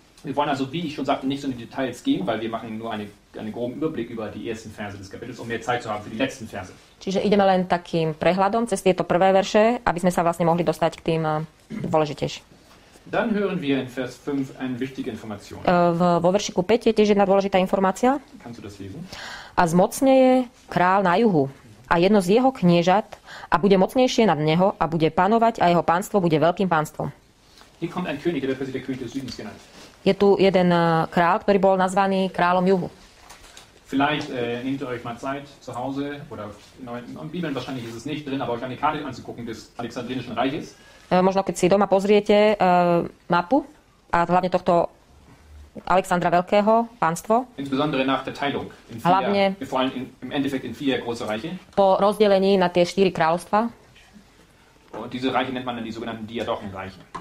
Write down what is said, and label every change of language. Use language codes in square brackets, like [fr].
[de] Wir wollen also, wie ich schon sagte, nicht so in die Details gehen, weil wir machen nur einen groben Überblick über die ersten Verse des Kapitels, um mehr Zeit zu haben für die letzten Verse. [sk] Čiže ideme len takým prehľadom cez tieto prvé verše, aby sme sa vlastne mohli dostať k tým dôležitejším. [de] Dann hören wir in Vers 5 eine wichtige Information. [sk] Vo veršiku 5 je tiež jedna dôležitá informácia. [de] Kannst du das lesen? [sk] A zmocne je král na juhu. A jedno z jeho kniežat a bude mocnejšie nad neho a bude panovať a jeho pánstvo bude veľkým pánstvom. [de] Hier kommt ein König, der wird der König des Südens genannt. [sk] Je tu jeden král, ktorý bol nazvaný kráľom juhu. [de] Vielleicht nehmt ihr euch mal Zeit zu Hause oder in Bibeln wahrscheinlich ist es nicht drin, aber euch eine Karte anzugucken des Alexandrinischen Reiches. [sk] Možno keď si doma pozriete mapu a hlavne tohto Alexandra Veľkého pánstvo. [de] Insbesondere nach der Teilung in vier, [sk] hlavne [de] vor allem im Endeffekt in vier große Reiche. [sk] Po rozdelení na tie štyri kráľovstva. [de] Und diese Reiche nennt man dann die sogenannten Diadochenreiche.